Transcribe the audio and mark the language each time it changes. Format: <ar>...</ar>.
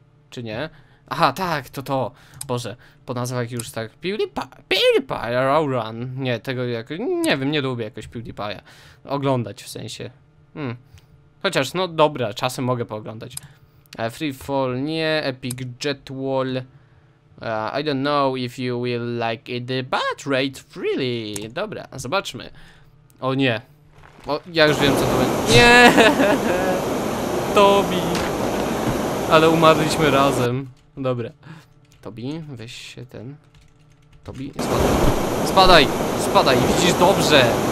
<pl>Czy nie? Aha, tak, to. Boże, po nazwach już tak. PewDiePie, Rowrun. Nie, tego jak. Nie wiem, nie lubię jakoś PewDiePie'a. Oglądać w sensie. Chociaż, no dobra, czasem mogę pooglądać. Free Fall, nie. Epic Jet Wall.</pl> <en>I don't know if you will like it, but rate freely.</en> <pl>Dobra, zobaczmy. O nie. O, ja już wiem, co to będzie. Nie! Tobi! Ale umarliśmy razem. Dobra. Tobi, weź się ten. Tobi, spadaj. Spadaj, widzisz, dobrze.</pl>